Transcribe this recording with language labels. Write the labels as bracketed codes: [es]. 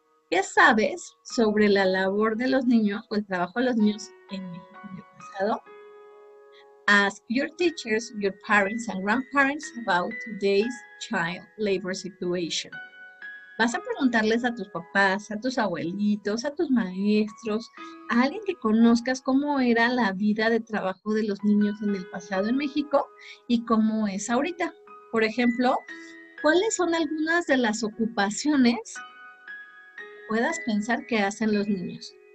[es] ¿Qué sabes sobre la labor de los niños o el trabajo de los niños en el pasado? [en] Ask your teachers, your parents and grandparents about today's child labor situation. [es] Vas a preguntarles a tus papás, a tus abuelitos, a tus maestros, a alguien que conozcas cómo era la vida de trabajo de los niños en el pasado en México y cómo es ahorita. Por ejemplo, ¿cuáles son algunas de las ocupaciones que puedas pensar que hacen los niños?